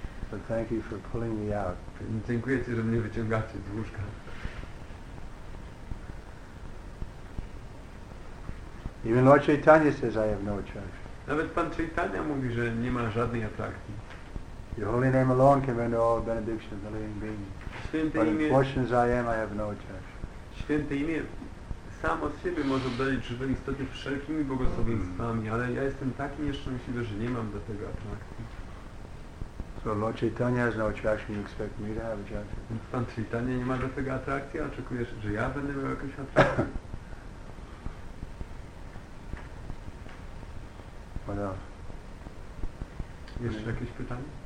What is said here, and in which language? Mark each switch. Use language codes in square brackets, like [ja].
[en] But thank you for pulling me out. [pl] Dziękuję ci, że mnie wyciągacie z łóżka. [en] Even Lord Chaitanya says I have no attraction. [pl] Nawet pan Chaitanya mówi, że nie ma żadnej atrakcji. [en] Your holy name alone can render all benedictions of the living being. But unfortunate as I am, I have no attraction. [pl] Święte imię samo z siebie może obdarzyć żywe istoty wszelkimi błogosławieństwami, ale ja jestem tak nieszczęśliwy, że nie mam do tego atrakcji. [en] So Lord Chaitanya has no attraction, you expect me to have attraction. [pl] Więc pan Chaitanya nie ma do tego atrakcji, a oczekujesz, że ja będę miał jakąś atrakcję? [en] What else? [pl] Jeszcze jakieś pytanie?